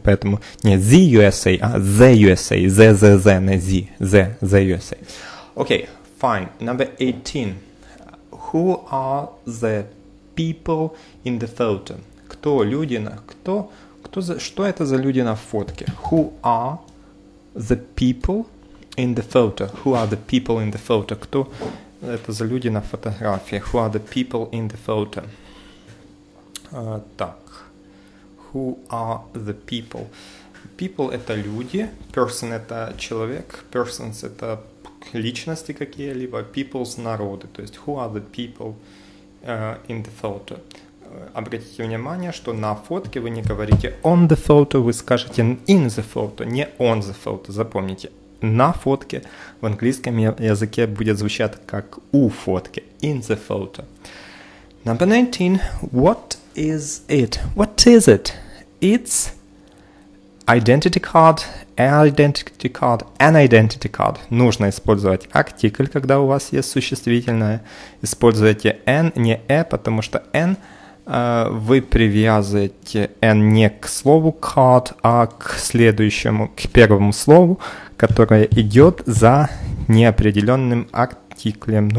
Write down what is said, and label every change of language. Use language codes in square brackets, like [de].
[ru] Поэтому не [en] the USA, [ru] а [en] the USA. The, the, the, [ru] не [en] the. The, the USA. Okay, fine. Number 18. Who are the people in the photo? [ru] Кто люди на... Кто, кто за, что это за люди на фотке? [en] Who are the people... In the photo, who are the people in the photo? [ru] Кто это за люди на фотографии? [en] Who are the people in the photo? [ru] Так, [en] who are the people? [ru] People – это люди, person – это человек, persons – это личности какие-либо, people – народы. То есть, [en] who are the people in the photo? [ru] обратите внимание, что на фотке вы не говорите [en] on the photo, [ru] вы скажете [en] in the photo, [ru] не on the photo. Запомните, на фотке в английском языке будет звучать как у фотки, [en] in the photo. Number 19. What is it? What is it? It's identity card, identity card, an identity card. [ru] Нужно использовать артикль, когда у вас есть существительное. Используйте an, не a, потому что an вы привязываете n не к слову card, а к следующему, к первому слову, которое идет за неопределенным артиклем.